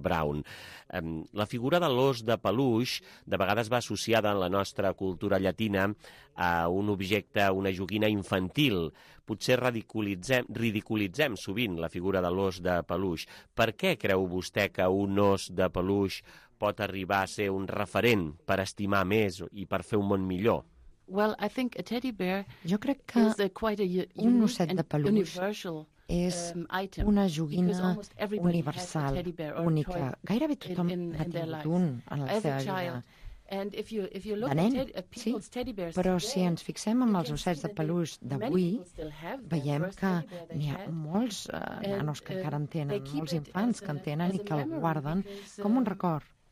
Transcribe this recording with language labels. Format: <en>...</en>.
<ca>Brown. La figura de l'os de peluix de vegades va associada en la nostra cultura llatina a un objecte, una joguina infantil. Potser ridiculitzem sovint la figura de l'os de peluix. Per què creu vostè que un os de peluix pot arribar a ser un referent per estimar més i per fer un món millor?</ca> <en>Well, I think a teddy bear</en> <ca>jo crec que</ca> <en>is a quite a unique and universal</en> <ca>és una joguina universal, única. Gairebé tothom ha tingut un en la seva vida. De nen, sí, però si ens fixem en els ossets de peluix d'avui, veiem que n'hi ha molts nanos que encara en tenen, molts infants que en tenen i que el guarden com un record.</ca>